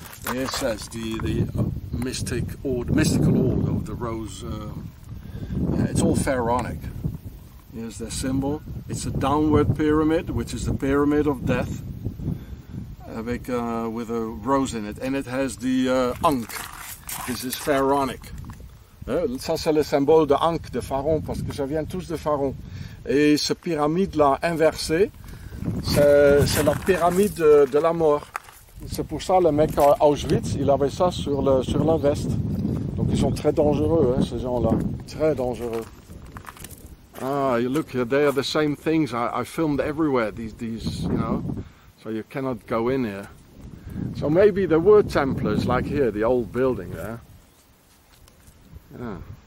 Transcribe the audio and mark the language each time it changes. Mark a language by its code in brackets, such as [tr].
[en] Here it says the mystical order of the rose. It's all pharaonic. Here's their symbol. It's a downward pyramid, which is the pyramid of death, with a rose in it, and it has the Ankh. This is pharaonic. [fr] Ça c'est le symbole de Ankh, de Pharaon, parce que ça vient tous de Pharaon. Et ce pyramide là inversé, c'est la pyramide de la mort. C'est pour ça le mec à Auschwitz, il avait ça sur la veste. Donc ils sont très dangereux, hein, ces gens là, très dangereux. [en] Ah, look, they are the same things I filmed everywhere, these, you know, so you cannot go in here. So maybe there were Templars, like here, the old building there. Yeah.